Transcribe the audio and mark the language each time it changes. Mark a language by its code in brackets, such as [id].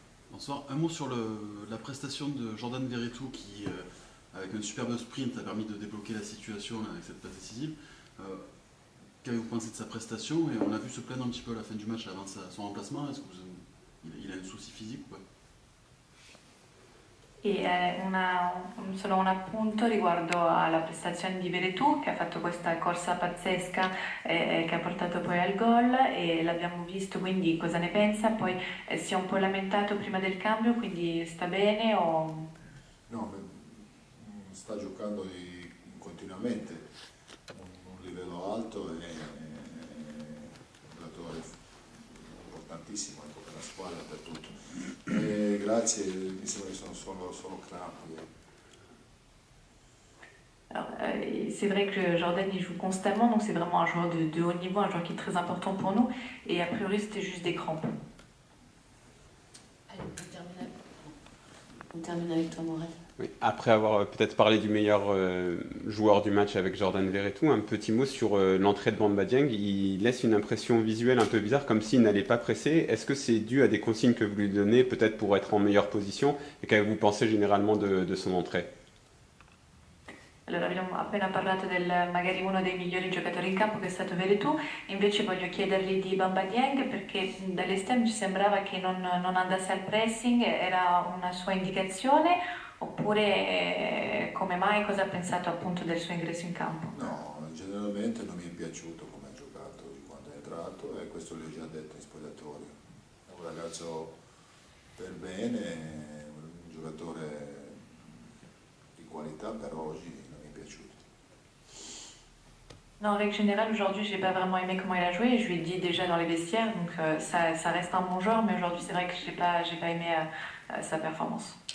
[fr] Bonsoir, un mot sur la prestation de Jordan Veretout qui, avec un superbe sprint, a permis de débloquer la situation là, avec cette passe décisive. Qu'avez-vous pensé de sa prestation? Et on l'a vu se plaindre un petit peu à la fin du match avant son remplacement. Est-ce que il a un souci physique ou pas? [it] Et solo un appunto riguardo alla prestazione di Veretout, che ha fatto questa corsa pazzesca e che ha portato poi al gol, e l'abbiamo visto, quindi cosa ne pensa? Poi si è un po' lamentato prima del cambio, quindi sta bene o... No, sta giocando continuamente. Livello alto è un giocatore importantissimo anche per la squadra, per tutto. E grazie, mi sembra che sono solo crampi. [fr] C'est vrai que Jordan il joue constamment, donc c'est vraiment un joueur de haut niveau, un joueur qui est très important pour nous, et a priori c'était juste des crampes. Allez, on termine avec toi, Morel. Oui. Après avoir peut-être parlé du meilleur joueur du match avec Jordan Veretout, un petit mot sur l'entrée de Bamba Dieng. Il laisse une impression visuelle un peu bizarre, comme s'il n'allait pas presser. Est-ce que c'est dû à des consignes que vous lui donnez, peut-être pour être en meilleure position? Et qu'avez-vous pensé généralement de son entrée? [it] Allora, abbiamo appena parlato del magari uno dei migliori giocatori in campo, che è stato Veretout. Invece voglio chiedergli di Bamba Dieng, perché dall'esterno ci sembrava che non andasse al pressing, era una sua indicazione, oppure come mai, cosa ha pensato appunto del suo ingresso in campo? No, generalmente non mi è piaciuto come ha giocato di quando è entrato, e questo l'ho già detto in spogliatoio. È un ragazzo per bene, un giocatore di qualità, per oggi non mi è piaciuto. [fr] No, in règle générale, aujourd'hui j'ai pas vraiment aimé comment il a joué, je lui ai dit déjà dans les vestiaires, donc ça reste un bon joueur, mais aujourd'hui c'est vrai que j'ai pas aimé sa performance.